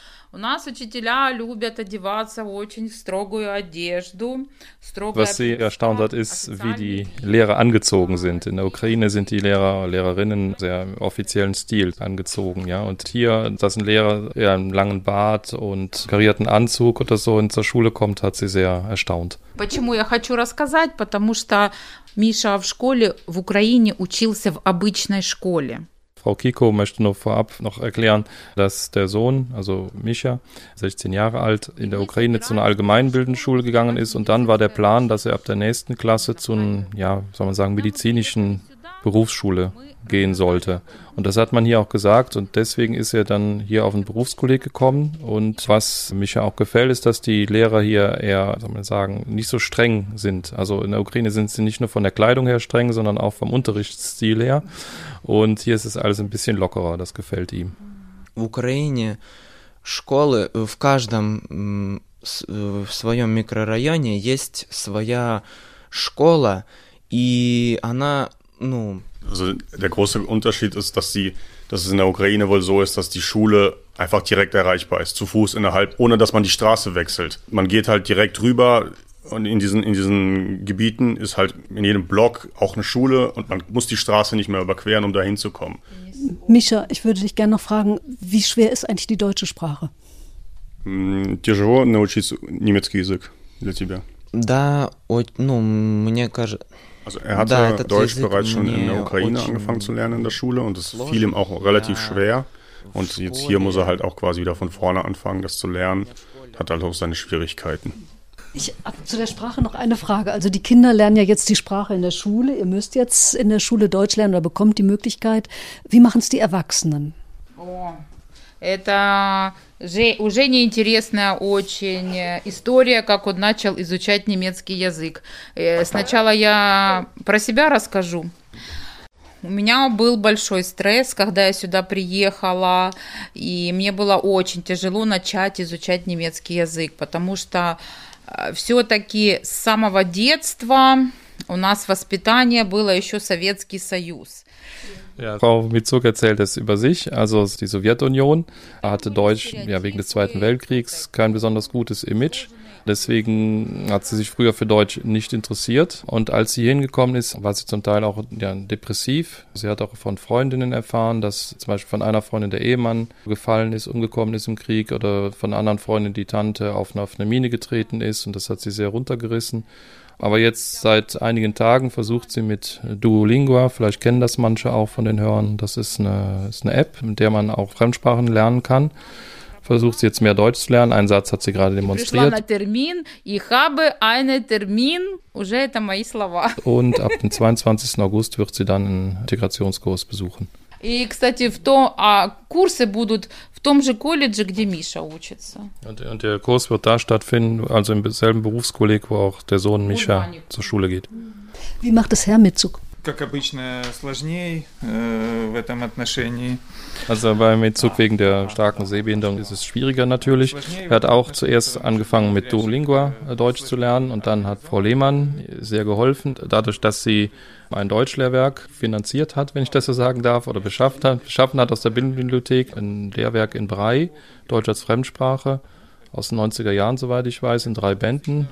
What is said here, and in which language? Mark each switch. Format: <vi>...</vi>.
<de>Was sie erstaunt hat, ist, wie die Lehrer angezogen sind. In der Ukraine sind die Lehrer und Lehrerinnen sehr im offiziellen Stil angezogen. Ja? Und hier saßen Lehrer in einem langen Bart und karierten Anzug oder so und zur Schule kommt, hat sie sehr erstaunt.</de> <ru>Почему я хочу рассказать? Потому что Миша в школе в Украине учился в обычной школе.</ru> <de>Frau Kiko möchte nur vorab noch erklären, dass der Sohn, also Mischa, 16 Jahre alt, in der Ukraine zu einer allgemeinbildenden Schule gegangen ist und dann war der Plan, dass er ab der nächsten Klasse zu einer, ja, soll man sagen, medizinischen Berufsschule gehen sollte. Und das hat man hier auch gesagt und deswegen ist er dann hier auf ein Berufskolleg gekommen. Und was Mischa auch gefällt, ist, dass die Lehrer hier eher, soll man sagen, nicht so streng sind. Also in der Ukraine sind sie nicht nur von der Kleidung her streng, sondern auch vom Unterrichtsstil her. Und hier ist es alles ein bisschen lockerer, das gefällt ihm.</de> <ru>В Украине школы в каждом в своем микрорайоне есть своя школа, и она, ну.</ru> <de>Also der große Unterschied ist, dass es in der Ukraine wohl so ist, dass die Schule einfach direkt erreichbar ist, zu Fuß innerhalb, ohne dass man die Straße wechselt. Man geht halt direkt rüber. Und in diesen Gebieten ist halt in jedem Block auch eine Schule und man muss die Straße nicht mehr überqueren, um da hinzukommen. Mischa, ich würde dich gerne noch fragen, wie schwer ist eigentlich die deutsche Sprache?</de> <ru>Тяжело научиться немецкий язык для тебя? Да, ну, мне кажется.</ru> <de>Also er hatte Deutsch bereits schon in der Ukraine angefangen zu lernen in der Schule und es fiel ihm auch relativ schwer. Und jetzt hier muss er halt auch quasi wieder von vorne anfangen, das zu lernen. Hat halt auch seine Schwierigkeiten. Ich habe zu der Sprache noch eine Frage. Also die Kinder lernen ja jetzt die Sprache in der Schule. Ihr müsst jetzt in der Schule Deutsch lernen oder bekommt die Möglichkeit. Wie machen es die Erwachsenen?</de> <ru>Уже неинтересная очень история, как он начал изучать немецкий язык. Сначала я про себя расскажу. У меня был большой стресс, когда я сюда приехала, и мне было очень тяжело начать изучать немецкий язык, потому что все-таки с самого детства у нас воспитание было еще Советский Союз.</ru> <de>Ja, Frau Mitzuk erzählt es über sich, also die Sowjetunion hatte Deutsch ja wegen des Zweiten Weltkriegs kein besonders gutes Image, deswegen hat sie sich früher für Deutsch nicht interessiert und als sie hingekommen ist, war sie zum Teil auch ja, depressiv. Sie hat auch von Freundinnen erfahren, dass zum Beispiel von einer Freundin der Ehemann gefallen ist, umgekommen ist im Krieg oder von einer anderen Freundin die Tante auf eine Mine getreten ist und das hat sie sehr runtergerissen. Aber jetzt seit einigen Tagen versucht sie mit Duolingua, vielleicht kennen das manche auch von den Hörern, das ist eine App, mit der man auch Fremdsprachen lernen kann. Versucht sie jetzt mehr Deutsch zu lernen, einen Satz hat sie gerade demonstriert. Ich habe einen Termin,</de> <ru>уже это мои слова.</ru> <de>Und ab dem 22. August wird sie dann einen Integrationskurs besuchen.</de> <ru>И, кстати, в том, а курсы будут в том же колледже, где Миша учится.</ru> <de>Und der Kurs wird da stattfinden, also im selben Berufskolleg, wo auch der Sohn Миша zur Schule geht. Wie macht das Herr Mitzuk?</de> <ru>Как обычно сложнее в этом отношении.</ru> <de>Also bei Mitzuk wegen der starken Sehbehinderung ist es schwieriger natürlich. Er hat auch zuerst angefangen mit Duolingua Deutsch zu lernen und dann hat Frau Lehmann sehr geholfen, dadurch, dass sie ein Deutschlehrwerk finanziert hat, wenn ich das so sagen darf, oder beschaffen hat aus der Bildungsbibliothek ein Lehrwerk in Brei, Deutsch als Fremdsprache, aus den 90er Jahren, soweit ich weiß, in drei Bänden.</de>